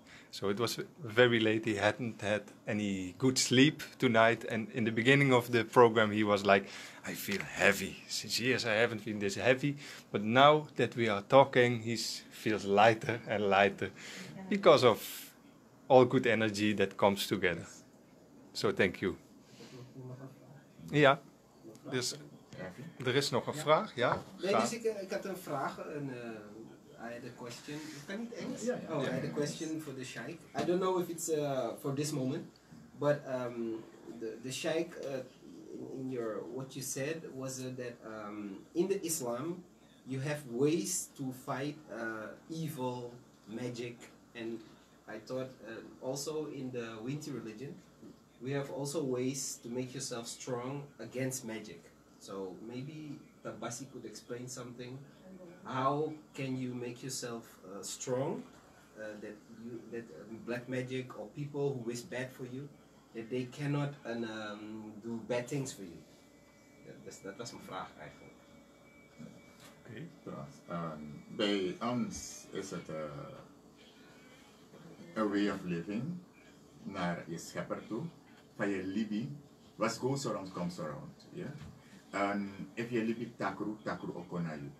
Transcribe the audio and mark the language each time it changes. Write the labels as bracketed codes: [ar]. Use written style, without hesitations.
[en] So it was very late. He hadn't had any good sleep tonight. And in the beginning of the program, he was like, I feel heavy. Since years, I haven't been this heavy. But now that we are talking, he feels lighter and lighter because of all good energy that comes together. So thank you. [nl] Ja, dus er is nog een vraag. Ja, dus ik had een vraag. [en] I had a question. [nl] Kan ik het Engels? [en] I had a question for the sheikh. I don't know if it's for this moment, but the sheikh in your what you said was that in the Islam you have ways to fight evil, magic, and I thought also in the Winti religion we have also ways to make yourself strong against magic. So maybe Tap Basi could explain something. How can you make yourself strong that black magic or people who wish bad for you, that they cannot do bad things for you? That was my [nl] vraag eigenlijk. Oké. Bij ons is het [en] a way of living [nl] naar je schepper toe, van je libi. [en] What goes around comes around. If [nl] je libi takru ook naar je.